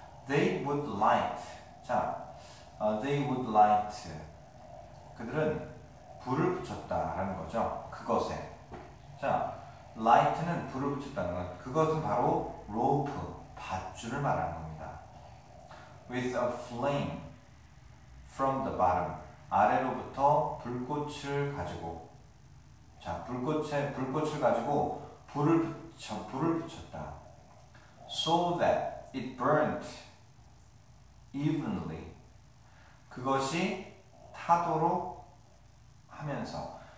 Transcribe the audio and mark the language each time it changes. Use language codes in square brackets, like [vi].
[en] They would light. [ko] 자, [en] they would light. [ko] 그들은 불을 붙였다라는 거죠. 그것에. 자, light는 불을 붙였다는 건 그것은 바로 rope, 밧줄을 말하는 겁니다. [en] with a flame from the bottom. [ko] 아래로부터 불꽃을 가지고. 자, 불꽃을 가지고 불을 붙였다. [en] So that it burnt evenly. [ko] 그것이 타도록 하면서.